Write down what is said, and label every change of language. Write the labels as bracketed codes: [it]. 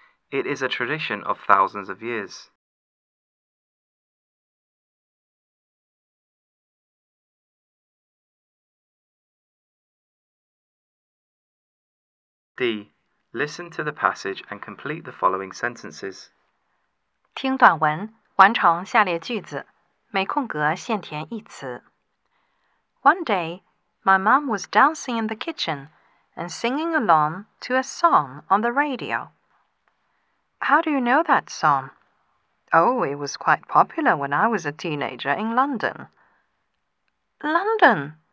[en] It is a tradition of thousands of years. D. Listen to the passage and complete the following sentences. [zh] 听短文，完成下列句子，每空格限填一词。 [en] One day,My mom was dancing in the kitchen and singing along to a song on the radio. How do you know that song? Oh, it was quite popular when I was a teenager in London. London?